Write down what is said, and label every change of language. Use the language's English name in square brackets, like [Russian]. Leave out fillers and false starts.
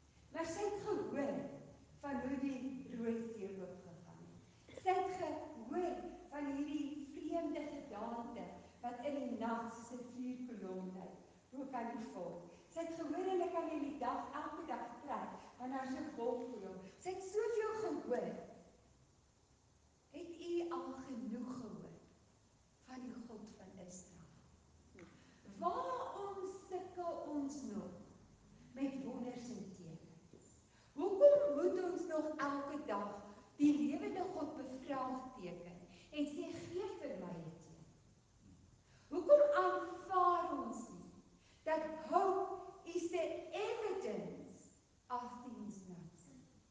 [Afrikaans] Maar sy het gehoor van hoe die rooi see oopgegaan het. Sy het gehoor van hierdie vreemde gedaante wat in die nag soos 'n vuurkolom lê. Hoe kan dit volg? Sy het gehoor hulle kan in die dag elke dag trek want daar's 'n wolk voor hom. Sy het soveel gehoor. Het u al genoeg gehoor van die God van Israel? Waarom sukkel ons nog met wonders en tekens? Hoekom moet ons nog elke dag die lewende God bevraagteken en sê gee vir my? Hoekom aanvaar ons nie dat [English] hope is the evidence of things not seen?